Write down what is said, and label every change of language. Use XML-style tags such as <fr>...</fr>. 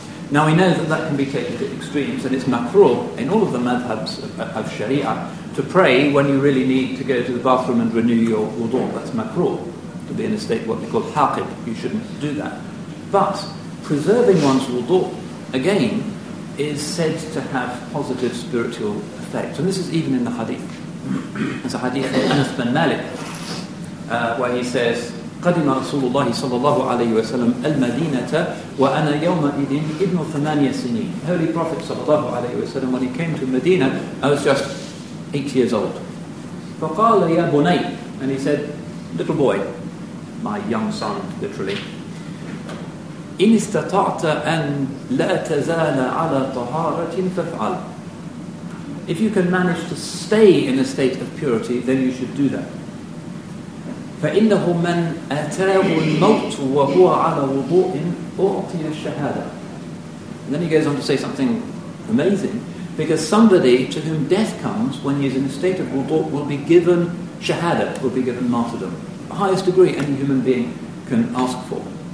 <en>Now we know that that can be taken to extremes, and it's makruh in all of the madhabs of sharia to pray when you really need to go to the bathroom and renew your wudu. That's makruh, to be in a state what we call taqib. You shouldn't do that. But preserving one's wudu, again, is said to have positive spiritual effects. And this is even in the hadith. There's a hadith of Anas bin Malik where he says,</en> <ar>قدم رسول الله صلى الله عليه وسلم المدينة وأنا يومئذ ابن ثمانية سنين.</ar> <en>Holy Prophet صلى الله عليه وسلم, when he came to Medina, I was just 8 years old.</en> <ar>فقال يا بني,</ar> <en>and he said, little boy, my young son, literally,</en> <ar>إن استطعت أن لا تزال على طهارة فافعل.</ar> <en>If you can manage to stay in a state of purity, then you should do that.</en> <ar>فَإِنَّهُ مَنْ أَتَاهُ الْمَوْتُ وَهُوَ عَلَى وُضُوءٍ أُعْطِيَ الشَّهَادَةِ.</ar> <en>And then he goes on to say something amazing. because somebody to whom death comes when he is in a state of wudu will be given shahada, will be given martyrdom, the highest degree any human being can ask for.</en>